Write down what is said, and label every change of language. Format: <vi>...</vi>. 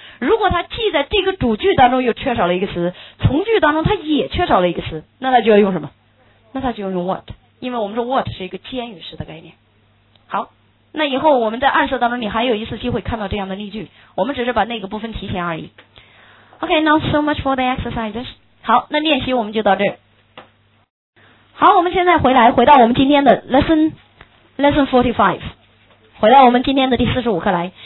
<zh>如果它既在这个主句当中又缺少了一个词，从句当中它也缺少了一个词，那它就要用什么？那它就要用 what， 因为我们说 what 是一个间语式的概念。好，那以后我们在暗示当中你还有一次机会看到这样的例句，我们只是把那个部分提前而已。</zh> <en>OK， now so much for the exercises。</en> <zh>好，那练习我们就到这儿。好，我们现在回到我们今天的</zh> <en>lesson 45，</en> <zh>回到我们今天的第45课来。</zh>